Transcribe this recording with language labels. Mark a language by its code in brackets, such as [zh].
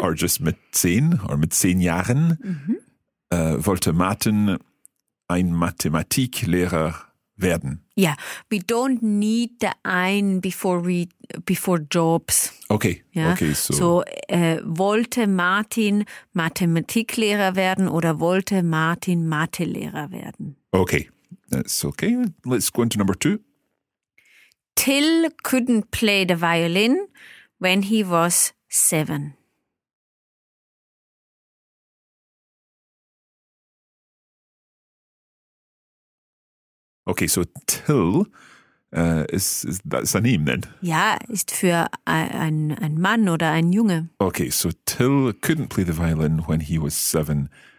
[en] Or just [de] mit 10 or mit 10 Jahren wollte Martin ein Mathematiklehrer werden. [en] Yeah, we don't need the ein before jobs. Okay, yeah? Okay. So [de] wollte Martin Mathematiklehrer werden oder wollte Martin Mathelehrer werden? [en] Okay, that's okay. Let's go into number 2. Till couldn't play the violin when he was 7. Okay, so Till, is that's a name then? [de] Ja, ist für ein Mann oder ein Junge. [en] Okay, so Till couldn't play the violin when he was 7.